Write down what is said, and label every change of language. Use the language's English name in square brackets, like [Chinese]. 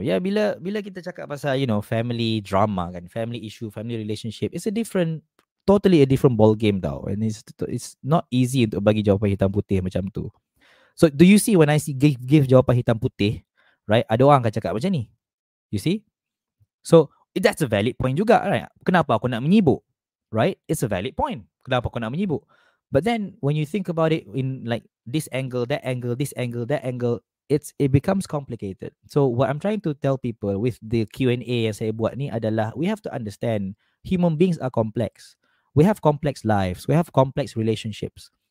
[English] Yeah, [Malay] bila kita cakap pasal, [English] you know, family drama [Malay] kan, [English] family issue, family relationship, it's a different, totally a different ball game [Malay] tau. [English] And it's not easy [Malay] untuk bagi jawapan hitam putih macam tu. [English] So, do you see when I see give [Malay] jawapan hitam putih, [English] right? [Malay] Ada orang akan cakap macam ni. [English] You see? So, that's a valid point [Malay] juga, [English] right? [Malay] Kenapa aku nak menyibuk? [English] Right? It's a valid point. [Malay] Kenapa aku nak menyibuk? [English] But then when you think about it in like this angle, that angle, it becomes complicated. So what I'm trying to tell people with the Q&A [Malay] yang saya buat ni adalah [English] we have to understand human beings are complex. We have complex lives. We have complex relationships.